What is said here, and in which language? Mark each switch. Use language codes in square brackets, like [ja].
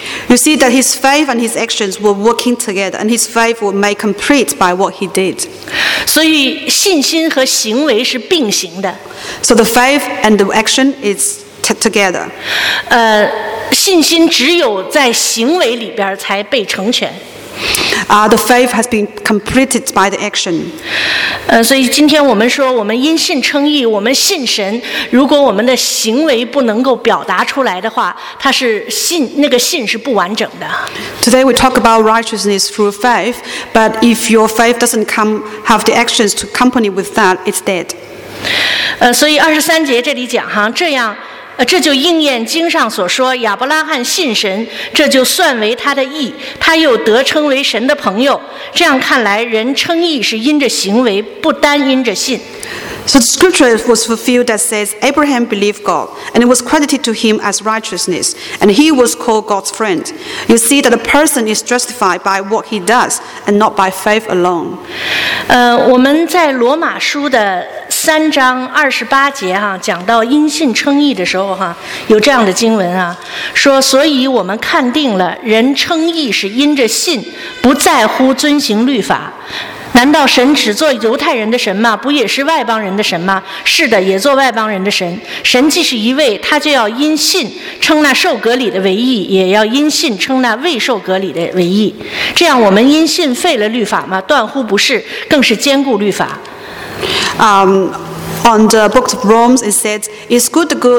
[en] You see that his faith and his actions were working together, and his faith was made complete by what he did. [zh] 所以信心和行为是并行的。 [en] So the faith and the action is together. [zh] 信心只有在行为里边才被成全。 [en] The faith has been completed by the action. [zh] 所以今天我们说我们因信称义，我们信神，如果我们的行为不能够表达出来的话，它是信，那个信是不完整的。 [en] Today we talk about righteousness through faith, but if your faith doesn't come, have the actions to accompany with that, it's dead. [zh] 所以23节这里讲哈，这样这就应验经上所说，亚伯拉罕信神，这就算为他的义，他又得称为神的朋友。这样看来，人称义是因着行为，不单因着信。 [en] So the scripture was fulfilled that says Abraham believed God, and it was credited to him as righteousness, and he was called God's friend. You see that a person is justified by what he does, and not by faith alone. [zh] 我们在罗马书的三章二十八节哈、啊，讲到因信称义的时候哈、啊，有这样的经文啊，说所以我们看定了人称义是因着信，不在乎遵行律法。难道神只做犹太人的神吗？不也是外邦人的神吗？是的，也做外邦人的神。神既是一位，他就要因信称那受割礼的为义，也要因信称那未受割礼的为义。这样我们因信废了律法吗？断乎不是，更是坚固律法。 [en] On the book of Romans, it says, "Is God?"